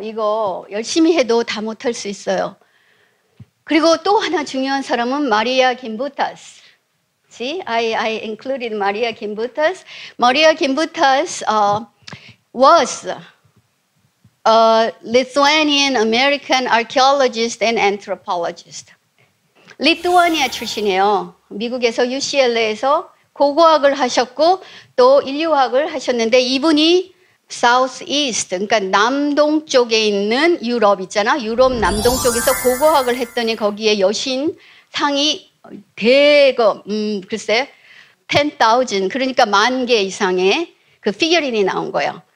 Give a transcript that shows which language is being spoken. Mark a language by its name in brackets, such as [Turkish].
[Korean] 이거 열심히 해도 다 못할 수 있어요. 그리고 또 하나 중요한 사람은 마리아 김부타스. [English] See? I included Maria Kimbutas. Maria Kimbutas was a Lithuanian-American archaeologist and anthropologist. [Korean] 리투아니아 출신이에요. 미국에서 UCLA에서 고고학을 하셨고 또 인류학을 하셨는데 이분이 Southeast, 그러니까 남동쪽에 있는 유럽 있잖아. 유럽 남동쪽에서 고고학을 했더니 거기에 여신 상이 대거, 글쎄, 10,000, 그러니까 만 개 이상의 그 피겨린이 나온 거예요.